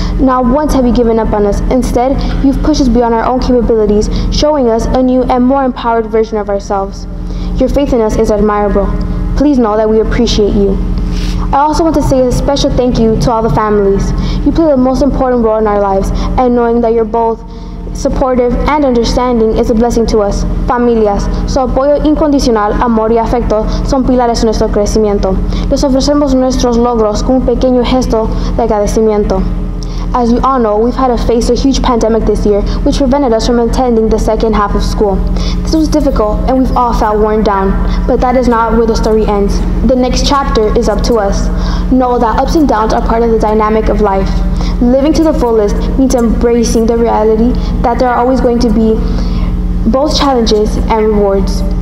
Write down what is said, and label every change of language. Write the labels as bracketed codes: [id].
[en] Not once have you given up on us. Instead, you've pushed us beyond our own capabilities, showing us a new and more empowered version of ourselves. Your faith in us is admirable. Please know that we appreciate you. I also want to say a special thank you to all the families. You play the most important role in our lives, and knowing that you're both supportive and understanding is a blessing to us. [es] Familias, su apoyo incondicional, amor y afecto son pilares de nuestro crecimiento. Les ofrecemos nuestros logros con un pequeño gesto de agradecimiento. [en] As you all know, we've had to face a huge pandemic this year, which prevented us from attending the second half of school. This was difficult, and we've all felt worn down. But that is not where the story ends. The next chapter is up to us. Know that ups and downs are part of the dynamic of life. Living to the fullest means embracing the reality that there are always going to be both challenges and rewards.